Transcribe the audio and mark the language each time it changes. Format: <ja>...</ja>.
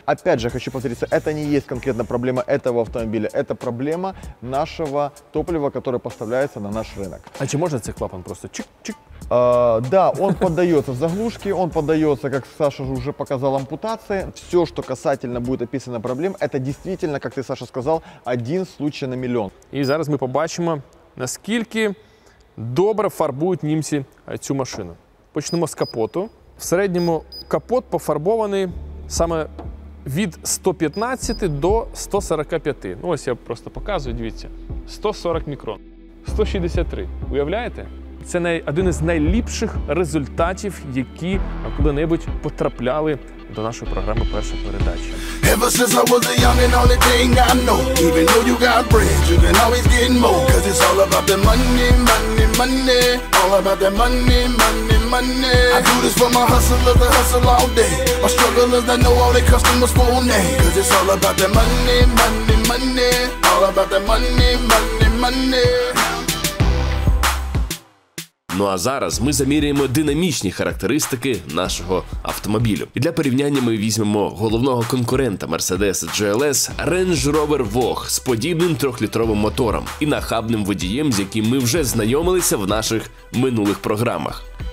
<ru>Опять же, хочу повториться, это не есть конкретно проблема этого автомобиля, это проблема нашего топлива, которое поставляется на наш рынок. А чем можно этот клапан просто чик-чик? Да, он поддается заглушке, он поддается, как Саша уже показал, ампутации. Все, что касательно будет описано проблем, это действительно, как ты, Саша, сказал, один случай на миллион.</ru> <uk>И зараз мы побачимо, наскільки добре фарбують німці цю машину. Почнемо з капоту. В середньому капот пофарбований саме від 115 до 145. Ну, ось я просто показую, дивіться. 140 мікрон. 163. Уявляєте? Це один із найліпших результатів, які коли-небудь потрапляли до нашої програми «Перша передача».</uk> <en>Ever since I was a young and only thing I know, even though you got bread, you can always get more, cause it's all about the money, money, money, all about the money, money, money. I do this for my hustlers, the hustle all day, my strugglers that know all their customers' full name, cause it's all about the money, money, money, all about the money, money, money.</en> <uk>Ну а зараз ми заміряємо динамічні характеристики нашого автомобілю. І для порівняння ми візьмемо головного конкурента Mercedes GLS – Range Rover Vogue з подібним трьохлітровим мотором і нахабним водієм, з яким ми вже знайомилися в наших минулих програмах.</uk>